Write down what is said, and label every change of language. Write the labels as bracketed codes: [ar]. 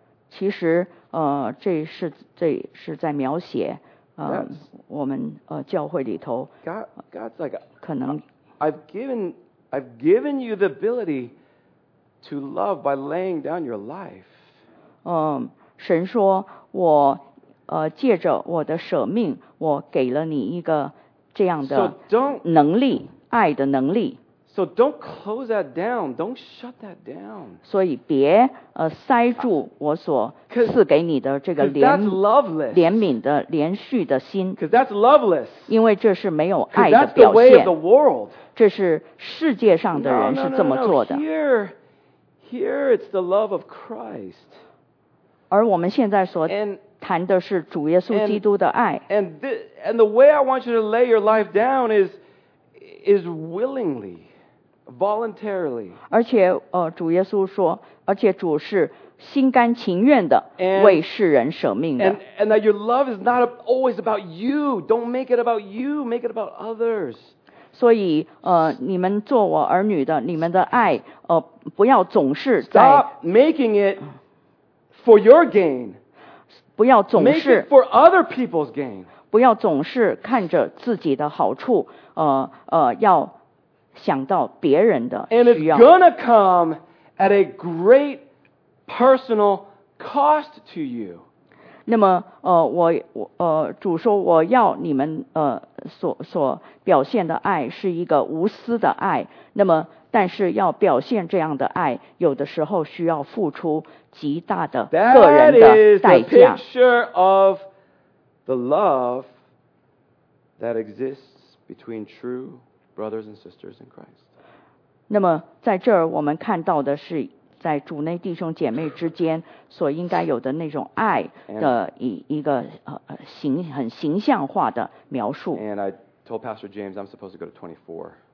[zh] 其实这是在描写我们教会里头。 [en] God's like, [zh] 可能 [en] I've given you the ability to love by laying down your life. [zh] 神说我借着我的舍命，我给了你一个这样的能力，爱的能力。 [en] So don't close that down. Don't shut that down. [zh] 所以别塞住我所赐给你的这个怜悯的连续的心。 [en] Because that's loveless. [zh] 因为这是没有爱的表现。 [en] Because that's the way of the world. [zh] 这是世界上的人是这么做的。 [en] Here it's the love of Christ. [zh] 而我们现在所谈的是主耶稣基督的爱。 [en] And the way I want you to lay your life down is willingly, voluntarily. [zh] 而且主耶稣说，而且主是心甘情愿的为世人舍命的。 [en] And that your love is not always about you. Don't make it about you. Make it about others. [zh] 所以你们做我儿女的，你们的爱不要总是在 Stop [en] making it for your gain. [zh] 不要总是 [en] Make it for other people's gain. [zh] 不要总是看着自己的好处，要想到别人的需要。 [en] And it's gonna come at a great personal cost to you. [zh] 那么我主说我要你们所表现的爱是一个无私的爱。那么但是要表现这样的爱，有的时候需要付出极大的个人的代价。 [en] That is the picture of the love that exists between true brothers and sisters in Christ. [zh] 那么在这儿我们看到的是在主内弟兄姐妹之间所应该有的那种爱的一个很形象化的描述。 [en] And I told Pastor James I'm supposed to go to 24.